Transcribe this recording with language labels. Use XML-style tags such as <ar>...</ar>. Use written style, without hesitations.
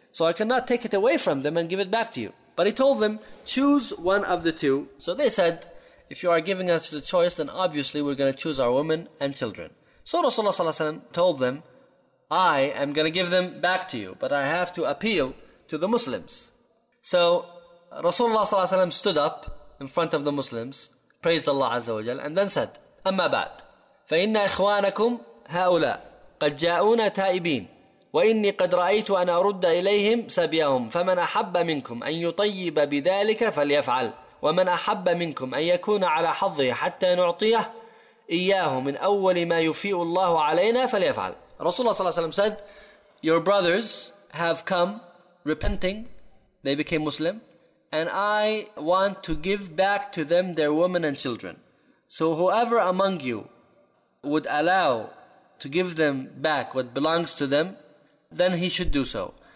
<en>So I cannot take it away from them and give it back to you. But he told them, choose one of the two. So they said, if you are giving us the choice, then obviously we're going to choose our women and children. So Rasulullah ﷺ told them, I am going to give them back to you, but I have to appeal to the Muslims. So Rasulullah ﷺ stood up in front of the Muslims, praised Allah Azza wa Jal, and then said,</en> <ar>أَمَّا بَعْدْ فَإِنَّ إِخْوَانَكُمْ هَؤُلَاء قَدْ جَاءُونَ تَائِبِينَ وإني قد رأيت أن أرد إليهم سبيهم فمن أحب منكم أن يطيب بذلك فليفعل ومن أحب منكم أن يكون على حظه حتى نعطيه إياه من أول ما يفيء الله علينا فليفعل.</ar> <en>رسول الله صلى الله عليه وسلم said, your brothers have come repenting, they became Muslim, and I want to give back to them their women and children. So whoever among you would allow to give them back what belongs to them, then he should do so.</en>